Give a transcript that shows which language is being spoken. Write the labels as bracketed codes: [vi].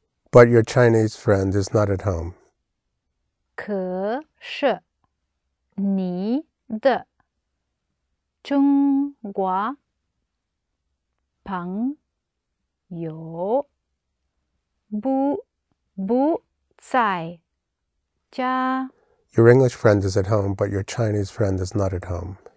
[en] But your Chinese friend is not at home. [zh] 可是你的中国朋友不在家。 [en] Your English friend is at home, but your Chinese friend is not at home.